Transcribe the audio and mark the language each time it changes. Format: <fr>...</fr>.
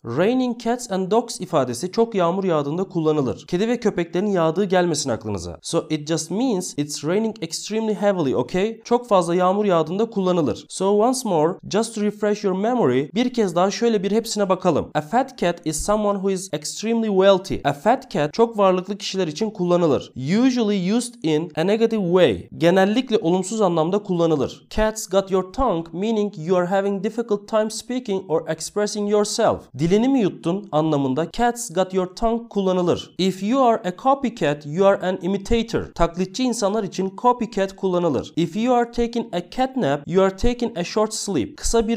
<tr>Raining cats and dogs ifadesi çok yağmur yağdığında kullanılır. Kedi ve köpeklerin yağdığı gelmesin aklınıza.</tr> <en>So it just means it's raining extremely heavily, okay?</en> <tr>Çok fazla yağmur yağdığında kullanılır.</tr> <en>So once more, just to refresh your memory,</en> <tr>bir kez daha şöyle bir hepsine bakalım.</tr> <en>A fat cat is someone who is extremely wealthy.</en> <tr>A fat cat çok varlıklı kişiler için kullanılır.</tr> <en>Usually used in a negative way.</en> <tr>Genellikle olumsuz anlamda kullanılır.</tr> <en>Cats got your tongue, meaning you are having difficult time speaking or expressing yourself.</en> <tr>Dilini mi yuttun anlamında cats got your tongue kullanılır.</tr> <en>If you are a copycat, you are an imitator.</en> <tr>Taklitçi insanlar için copycat kullanılır.</tr> <en>If you are taking a catnap, you are taking a short sleep.</en> <tr>Kısa bir</tr>